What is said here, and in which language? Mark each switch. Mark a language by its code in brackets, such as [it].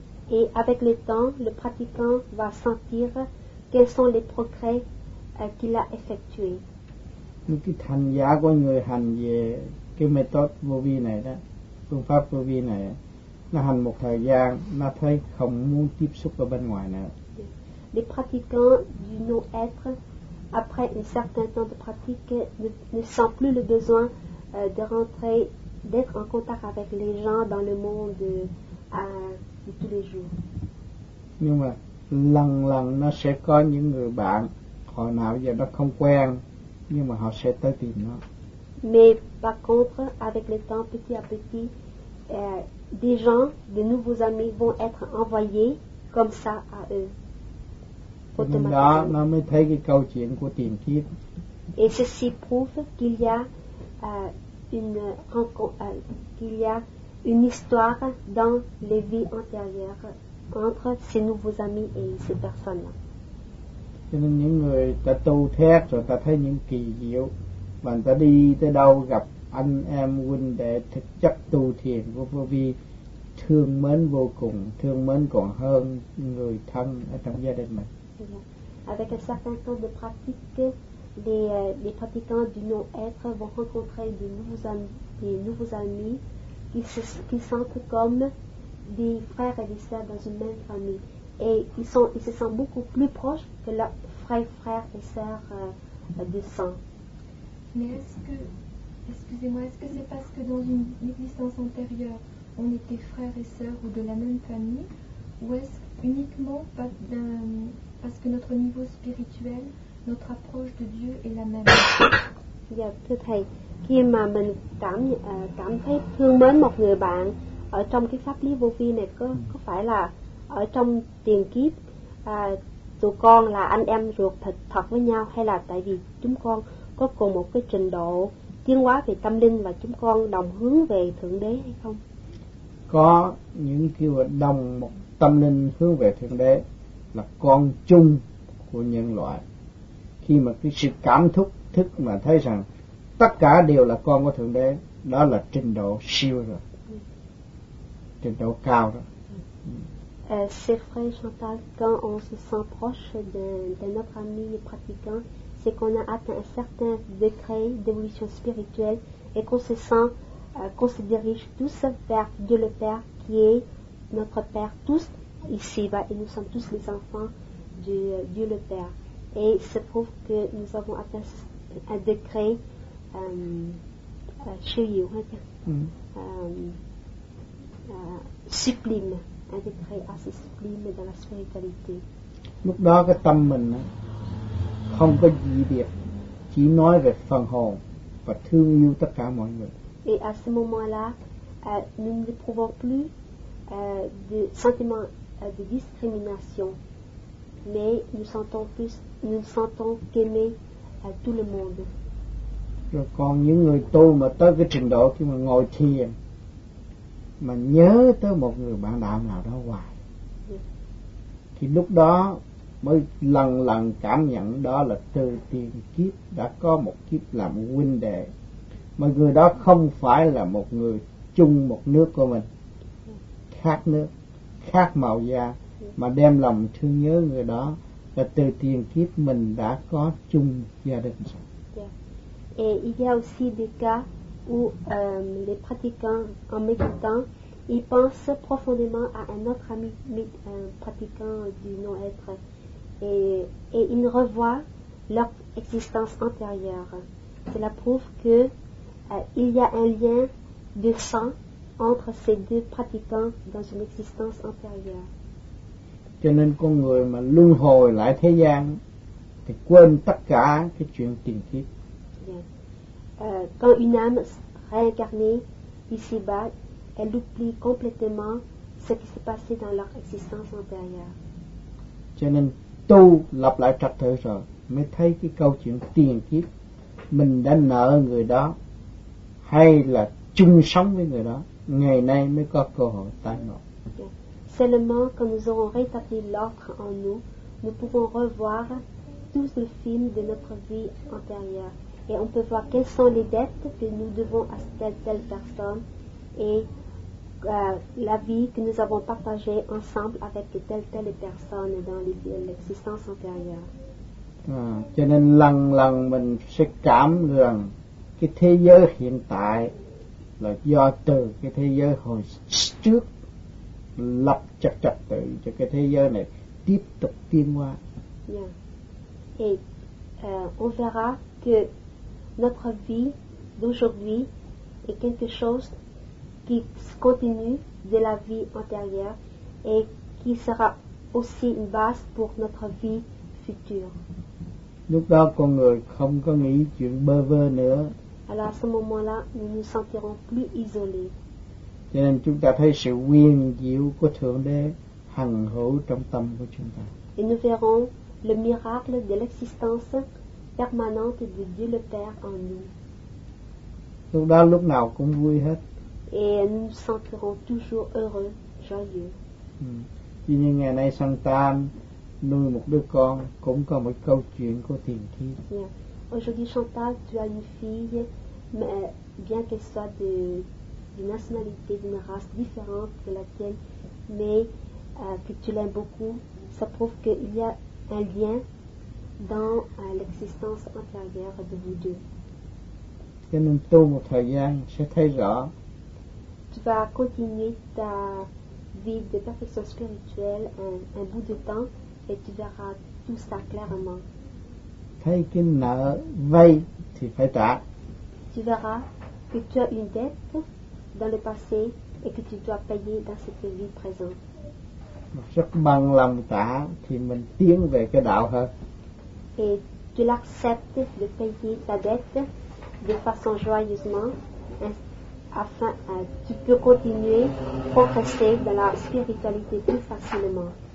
[fr] Et avec le temps, le pratiquant va sentir quels sont les progrès qu'il a effectués. [vi] Những cái hành giả của người hành về cái méthode vô vi này đó, phương pháp vô vi này, nó hành một thời gian, nó thấy không muốn tiếp xúc ở bên ngoài nữa. [fr] Les pratiquants du non-être, après un certain temps de pratique, ne sent plus le besoin de rentrer, d'être en contact avec les gens dans le monde de tous les jours. [vi] Nhưng mà lần lần nó sẽ có những người bạn, hồi nào giờ nó không quen, nhưng mà họ sẽ tới tìm nó. [fr] Mais par contre, avec le temps, petit à petit, des gens, de nouveaux amis vont être envoyés comme ça à eux. [vi] Đó, nó mới thấy cái câu chuyện của tìm kiếm. [fr] Et ceci prouve qu'il y a une rencontre, qu'il y a une histoire dans les vies antérieures entre ces nouveaux amis et ces personnes. [vi] Cho nên những người ta tu thét rồi ta thấy những kỳ diệu. Và người ta đi tới đâu gặp anh em huynh đệ thực chất tu thiền của vô vi, thương mến vô cùng, thương mến còn hơn người thân ở trong gia đình mình. [fr] Avec un certain temps de pratique, les pratiquants du non-être vont rencontrer des nouveaux amis qui se sentent comme des frères et des sœurs dans une même famille. Et ils se sentent beaucoup plus proches que leurs frères et sœurs de sang. Mais est-ce que c'est parce que dans une existence antérieure, on était frères et sœurs ou de la même famille, ou est-ce uniquement parce que notre niveau spirituel, notre approche de Dieu est la même? [vi] Dạ, thưa thầy, khi mà mình cảm thấy thương mến một người bạn ở trong cái pháp lý vô vi này, có phải là ở trong tiền kiếp tụi con là anh em ruột thịt thật với nhau, hay là tại vì chúng con có cùng một cái trình độ tiến hóa về tâm linh và chúng con đồng hướng về Thượng Đế hay không? Có những kêu là đồng một tâm linh hướng về Thượng Đế, là con chung của nhân loại. Khi mà cái sự cảm thúc thức mà thấy rằng tất cả đều là con của Thượng Đế, đó là trình độ siêu rồi, trình độ cao rồi. [fr] C'est vrai, Chantal, quand on se sent proche de notre ami pratiquant, c'est qu'on a atteint un certain degré d'évolution spirituelle et qu'on se sent, qu'on se dirige tous vers Dieu le Père qui est notre Père tous ici-bas, et nous sommes tous les enfants de Dieu le Père. Et il se prouve que nous avons atteint un degré sublime, un degré assez sublime dans la spiritualité. [vi] Lúc đó cái tâm mình không có gì biệt, chỉ nói về phần hồn và thương yêu tất cả mọi người. [fr] Et à ce moment-là, nous ne pouvons plus de sentiments de discrimination, mais nous sentons plus, nous sentons qu'aimer tout le monde. [vi] Rồi còn những người tu mà tới cái trình độ khi mà ngồi thiền mà nhớ tới một người bạn đạo nào đó hoài, thì lúc đó mới lần lần cảm nhận đó là từ tiền kiếp đã có một kiếp làm huynh đệ, mà người đó không phải là một người chung một nước của mình, khác nước, khác màu da, mà đem lòng thương nhớ người đó là từ tiền kiếp mình đã có chung gia đình. [fr] Et il y a aussi des cas où les pratiquants, en méditant, ils pensent profondément à un autre ami pratiquant du non-être et ils revoient leur existence antérieure. Cela prouve qu'il y a un lien de sang entre ces deux pratiquants dans une existence antérieure. [vi] Cho nên con người mà luân hồi lại thế gian thì quên tất cả cái chuyện tiền kiếp. [fr] Quand une âme réincarnée ici-bas, elle oublie complètement ce qui s'est passé dans leur existence antérieure. [vi] Cho nên tu lập lại trật tự rồi mới thấy cái câu chuyện tiền kiếp mình đã nợ người đó hay là chung sống với người đó, ngày nay mới có cơ hội tái ngộ. [fr] Seulement quand nous aurons rétabli l'ordre en nous, nous pouvons revoir tout le film de notre vie antérieure. Et on peut voir quelles sont les dettes que nous devons à telle personne et la vie que nous avons partagée ensemble avec telle personne dans l'existence antérieure. [vi] Cho nên lần lần mình sẽ cảm rằng cái thế giới hiện tại là do từ cái thế giới hồi trước lập trật tự cho cái thế giới này tiếp tục tiến hóa. Yeah. [fr] Et on verra que notre vie d'aujourd'hui est quelque chose qui continue de la vie antérieure et qui sera aussi une base pour notre vie future. [vi] Lúc đó con người không có nghĩ chuyện bơ vơ nữa. [fr] Alors à ce moment-là, nous nous sentirons plus isolés. [vi] Cho nên chúng ta thấy sự nguyên diệu của Thượng Đế hằng hữu trong tâm của chúng ta. [fr] Et nous verrons le miracle de l'existence permanente de Dieu le Père en nous. [vi] Lúc đó lúc nào cũng vui hết. [fr] Et nous nous sentirons toujours heureux, joyeux. [vi] Chỉ như ngày nay Chantal nuôi một đứa con cũng có một câu chuyện của tiền kiếp. Yeah. [fr] Aujourd'hui Chantal, tu as une fille, mais bien qu'elle soit d'une nationalité, d'une race différente de la tienne, mais que tu l'aimes beaucoup, ça prouve qu'il y a un lien dans l'existence antérieure de vous deux. [vi] Cho nên tu một thời gian sẽ thấy rõ. [fr] Tu vas continuer ta vie de perfection spirituelle un bout de temps et tu verras tout ça clairement. [vi] Thấy cái nợ vay thì phải trả. [fr] Tu verras que tu as une dette dans le passé et que tu dois payer dans cette vie présente. [vi] Rất bằng lòng trả thì mình tiến về cái đạo hơn. [fr] Et tu l'acceptes de payer ta dette de façon joyeusement afin tu peux continuer progresser dans la spiritualité plus facilement.